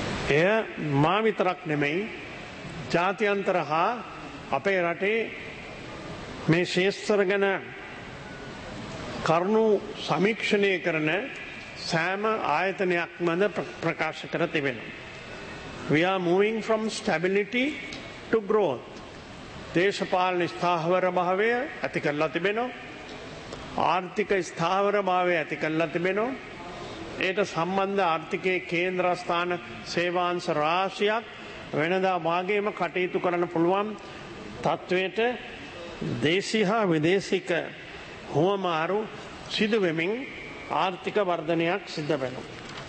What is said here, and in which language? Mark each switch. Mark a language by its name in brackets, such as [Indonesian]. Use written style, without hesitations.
[Sinhala] එය මා විතරක් නෙමෙයි ජාත්‍යන්තර හා අපේ රටේ මේ ශේස්තර ගැන කරුණු සමීක්ෂණය කරන සෑම ආයතනයක්ම ප්‍රකාශ කර තිබෙනවා. [English] We are moving from stability to growth. [Sinhala] දේශපාලන ස්ථාවර භාවය ඇති කරලා තිබෙනවා. ආර්ථික ස්ථාවර භාවය ඇති කරලා තිබෙනවා. ඒට සම්බන්ධ ආර්ථිකයේ කේන්ද්‍රස්ථාන සේවාංශ රාශියක් වෙනදා වාගේම කටයුතු කරන්න පුළුවන් තත්ත්වයට දේශීය හා විදේශික හුවමාරු සිදුවෙමින් ආර්ථික වර්ධනයක් සිද්ධ වෙනවා.